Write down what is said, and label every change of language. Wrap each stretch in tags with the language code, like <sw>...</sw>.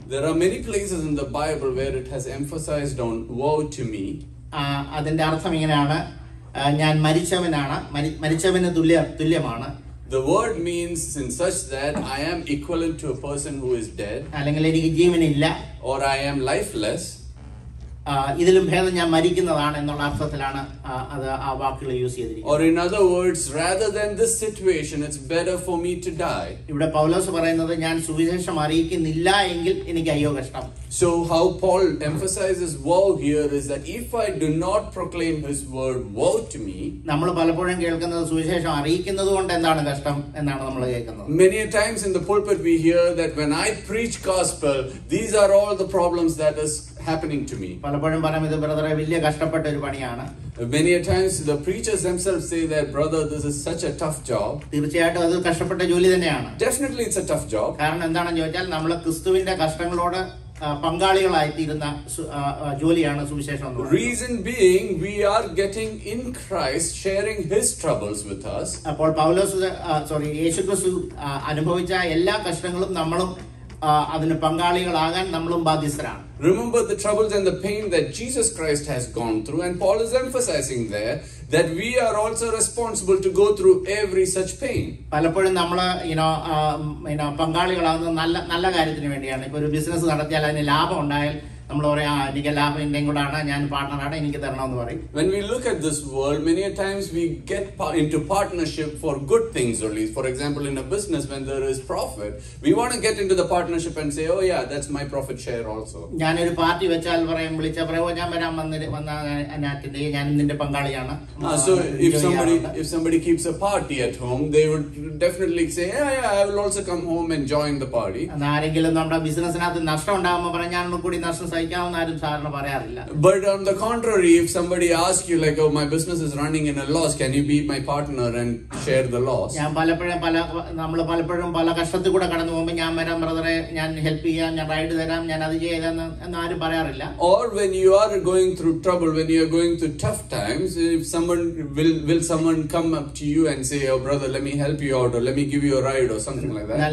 <en>There are many places in the Bible where it has emphasized on woe to me.</en> <ml>അതിന്റെ അർത്ഥം ഇങ്ങനെയാണ്, ഞാൻ മരിച്ചവനാണ്, മരിച്ചവന് തുല്യമാണ്.</ml> <en>The word means in such that I am equivalent to a person who is dead.</en> <ml>അല്ലെങ്കിൽ എനിക്ക് ജീവനില്ല.</ml> <en>Or I am lifeless.</en> <ml>ഇതിലും ഭേദം ഞാൻ മരിക്കുന്നതാണ് എന്നുള്ള അർത്ഥത്തിലാണ് അത് ആ വാക്കുകൾ യൂസ് ചെയ്തിരിക്കുന്നത്.</ml> <en>Or in other words, rather than this situation, it's better for me to die.</en> <ml>ഇവിടെ പൗലോസ് പറയുന്നത് ഞാൻ സുവിശേഷം അറിയിക്കുന്നില്ല എങ്കിൽ എനിക്ക് അയ്യോ കഷ്ടം.</ml> <en>So how Paul emphasizes woe here is that if I do not proclaim his word, woe to me.</en> <ml>നമ്മൾ പലപ്പോഴും കേൾക്കുന്നത് സുവിശേഷം അറിയിക്കുന്നതുകൊണ്ട് എന്താണ് കഷ്ടം എന്നാണ് നമ്മൾ കേൾക്കുന്നത്.</ml> <en>Many a times in the pulpit we hear that when I preach gospel, these are all the problems that is happening to me.</en> <ml>പലപ്പോഴും പറയുന്നത് ബ്രദറെ വലിയ കഷ്ടപ്പെട്ട ഒരു പണിയാണ്.</ml> <en>Many a times the preachers themselves say that brother, this is such a tough job.</en> <ml>തീർച്ചയായിട്ടും അത് കഷ്ടപ്പെട്ട ജോലി തന്നെയാണ്.</ml> <en>Definitely it's a tough job.</en> <ml>കാരണം എന്താണെന്ന് ചോദിച്ചാൽ നമ്മൾ ക്രിസ്തുവിന്റെ കഷ്ടങ്ങളോട് പങ്കാളികളായിത്തീരുന്ന ജോലിയാണ് സുവിശേഷം.</ml> <en>Reason being, we are getting in Christ sharing his troubles with us.</en> <ml>അപ്പോൾ പൗലോസ്, സോറി, യേശുക്രിസ്തു അനുഭവിച്ച എല്ലാ കഷ്ടങ്ങളും നമ്മളും അതിന് പങ്കാളികളാകാൻ നമ്മളും ബാധ്യസ്ഥരാണ്.</ml> <en>Remember the troubles and the pain that Jesus Christ has gone through, and Paul is emphasizing there that we are also responsible to go through every such pain.</en> <ml>പലപ്പോഴും നമ്മൾ, you know, പങ്കാളികളാകുന്ന നല്ല കാര്യത്തിന് വേണ്ടിയാണ്. ഇപ്പൊ ഒരു ബിസിനസ് നടത്തിയാൽ അതിന് ലാഭം ഉണ്ടായാൽ നമ്മൾ പറയും, ആ എനിക്ക് ലാഭം എന്റെ കൂടാണ്, ഞാൻ പാർട്ട്ണറാണ്, എനിക്ക് തരണം എന്ന് പറയും.</ml> <en>When we look at this world, many a times we get into partnership for good things only. For example, in a business, when there is profit, we want to get into the partnership and say, oh yeah, that's my profit share also.</en> <ml>ഞാൻ ഒരു party വെച്ചാൽ പറയും, വിളിച്ചാൽ പറയും, ഞാൻ വരാൻ വന്നിട്ട് ഞാൻ ഇതിന്റെ പങ്കാളിയാണ്.</ml> <en>So if somebody keeps a party at home, they would definitely say, yeah, I will also come home and join the party.</en> <ml>ആരെങ്കിലും നമ്മുടെ ബിസിനസ്സിനകത്ത് നഷ്ടം ഉണ്ടാകുമ്പോൾ പറയും, ഞാൻ കൂടി നഷ്ടം സഹിക്കാമെന്ന് ആരും സാധാരണ പറയാറില്ല.</ml> <en>But on the contrary, if somebody asks you like, oh, my business is running in a loss, can you be my partner and share the loss?</en> <ml>ഞാൻ പലപ്പോഴും പല കഷ്ടത്തിൽ കൂടെ കടന്നു പോകുമ്പോൾ ഞാൻ വരാം ബ്രദറെ, ഞാൻ ഹെൽപ്പ് ചെയ്യാം, ഞാൻ റൈഡ് തരാം, ഞാൻ അത് ചെയ്തെന്ന് ആരും പറയാറില്ല.</ml> <en>Or when you are going through trouble, when you are going through tough times, will someone come up to you and say, oh brother, let me help you out, or let me give you a ride, or something like that?</en>